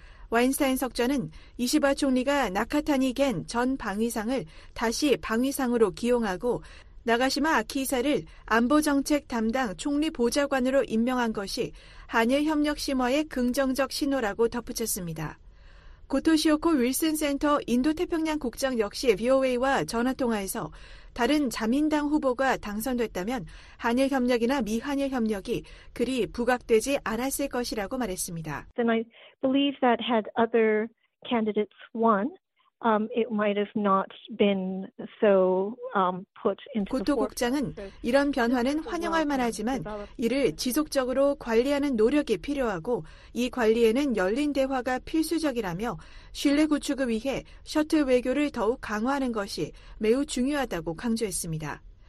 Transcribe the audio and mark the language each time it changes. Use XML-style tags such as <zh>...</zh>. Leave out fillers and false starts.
<ko>와인스타인 석좌는 이시바 총리가 나카타니 겐 전 방위상을 다시 방위상으로 기용하고 나가시마 아키이사를 안보정책 담당 총리 보좌관으로 임명한 것이 한일 협력 심화의 긍정적 신호라고 덧붙였습니다. 고토시오코 윌슨 센터 인도태평양 국장 역시 VOA와 전화통화에서 다른 자민당 후보가 당선됐다면 한일 협력이나 미한일 협력이 그리 부각되지 않았을 것이라고 말했습니다.</ko> <en>And I believe that had other candidates won, it might have not been so put into the.</en> <ko>고토 국장은 이런 변화는 환영할 만하지만 이를 지속적으로 관리하는 노력이 필요하고 이 관리에는 열린 대화가 필수적이라며 신뢰 구축을 위해 셔틀 외교를 더욱 강화하는 것이 매우 중요하다고 강조했습니다.</ko>